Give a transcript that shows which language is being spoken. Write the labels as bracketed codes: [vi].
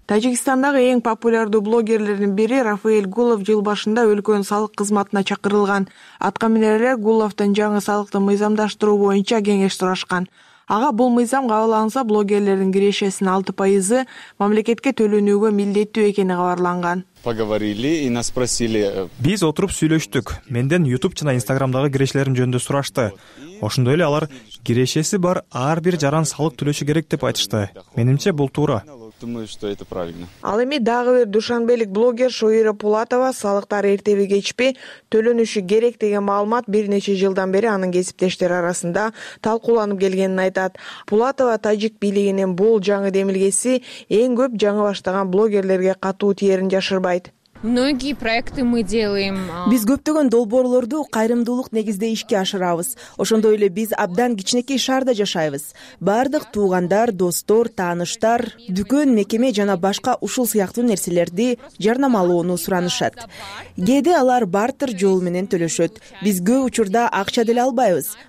[ky] Тажикстандагы эң популярдуу блогерлердин бири Рафаэль Гулов жыл башында өлкөнүн салык кызматына чакырылган. Атка менен эле Гуловтон жаңы салыкты мыйзамдаштыруу боюнча кеңеш сурашкан. Ага бул мыйзам кабыл алынса блогерлердин кирешесинин 6% мамлекетке төлөнүүгө милдеттүү экени кабарланган. [ru] Поговорили и нас спросили. [ky] Биз отуруп сүйлөштүк. Менден YouTube жана Instagram'дагы кирешелерим жөнүндө сурашты. Ошондой эле алар кирешеси бар ар бир жаран салык төлөшү керек деп айтышты. Менимче бул туура. [ru] Думаю, что это правильно. [ky] Ал эми дагы бир душанбелик блогер Шоира Пулатова салыктар эртеби кечпи төлөнүшү керек деген маалымат бир нече жылдан бери анын кесиптештери арасында талкууланып келгенин айтат. Пулатова тажик бийлигинин бул жаңы демилгеси эң көп жаңы баштаган блогерлерге катуу тиерин жашырбайт. [ru] Многие проекты мы делаем. [ky] Биз көптөгөн долбоорлорду кайрымдуулук негизде ишке ашырабыз. Ошондой эле биз абдан кичинекей шаарда жашайбыз. Бардык туугандар, достор, тааныштар, дүкөн, мекеме жана башка ушул сыяктуу нерселерди жарнамалоону суранышат. Кээде алар бартер жолу менен төлөшөт. Биз көп учурда акча деле албайбыз.